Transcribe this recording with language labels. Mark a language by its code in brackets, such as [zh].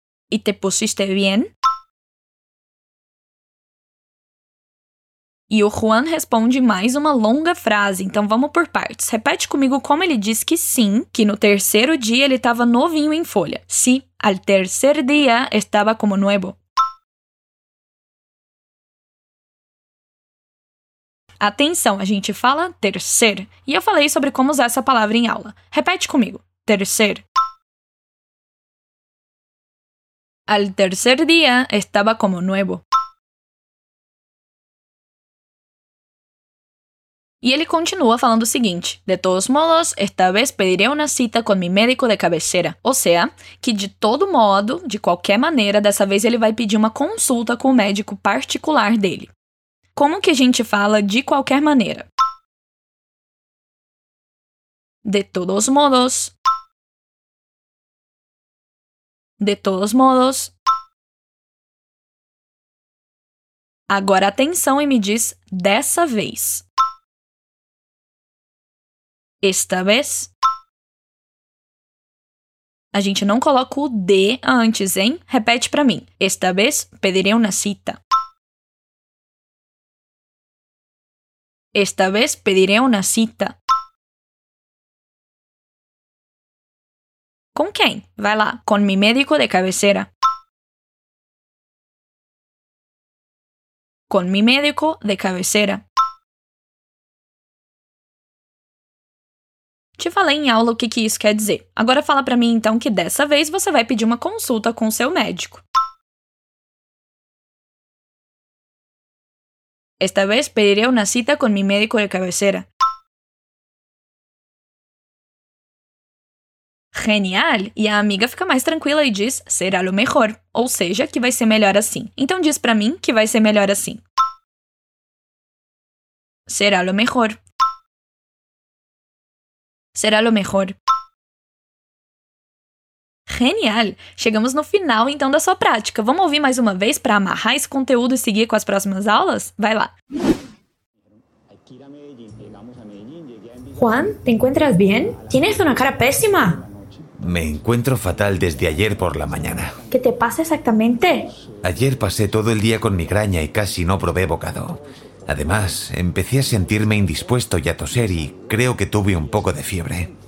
[es] E te pusiste bien? [pt] E o Juan responde mais uma longa frase, então vamos por partes. Repete comigo como ele diz que sim, que no terceiro dia ele estava novinho em folha. [es] Sim, al tercer día estaba como nuevo. [pt] Atenção, a gente fala tercer. E eu falei sobre como usar essa palavra em aula. Repete comigo. Tercer. [es] Al tercer día estaba como nuevo. [pt] E ele continua falando o seguinte. [es] De todos modos, esta vez pediré una cita con mi médico de cabecera. [pt] Ou seja, que de todo modo, de qualquer maneira, dessa vez ele vai pedir uma consulta com o médico particular dele. Como que a gente fala de qualquer maneira? [es] De todos modos. De todos modos. [pt] Agora atenção e me diz dessa vez. [es] Esta vez. [pt] A gente não coloca o de antes, hein? Repete pra mim. [es] Esta vez pediré una cita. Esta vez pediré una cita. [pt] Com quem? Vai lá. [es] Con mi médico de cabecera. Con mi médico de cabecera. [pt] Te falei em aula o que, que isso quer dizer. Agora fala pra mim, então, que dessa vez você vai pedir uma consulta com seu médico. Esta vez pediré una cita con mi médico de cabecera. Genial! E a amiga fica mais tranquila e diz, será o melhor. Ou seja, que vai ser melhor assim. Então diz pra mim que vai ser melhor assim. Será o melhor. Será o melhor. Genial! Chegamos no final, então, da sua prática. Vamos ouvir mais uma vez para amarrar esse conteúdo e seguir com as próximas aulas? Vai lá! [es] Juan, ¿te encuentras bien? Tienes una cara pésima. Me encuentro fatal desde ayer por la mañana. ¿Qué te pasa exactamente? Ayer pasé todo el día con migraña y casi no probé bocado. Además, empecé a sentirme indispuesto y a toser y creo que tuve un poco de fiebre.